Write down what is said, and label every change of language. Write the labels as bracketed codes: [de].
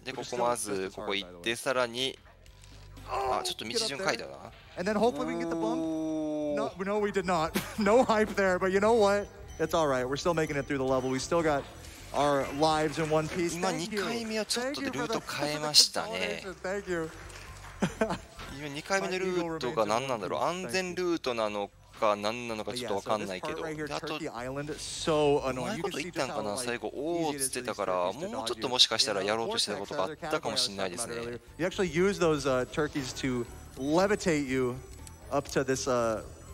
[ja] で、ここまずここ行って、さらに、あ、ちょっと道順書いたな。 [en] No, we did not. No hype there, but you know what? It's all right. We're still making it through the level. We still got our lives in one piece. Thank you. [ja] 今2回目はちょっとでルート変えましたね。今2回目のルートが何なんだろう。安全ルートなのか何なのかちょっとわかんないけど。と、うまいこと言ったんかな。最後、おーっつってたから、もうちょっともしかしたらやろうとしてたことがあったかもしれないですね。 [en] You actually use those turkeys to levitate you up to this.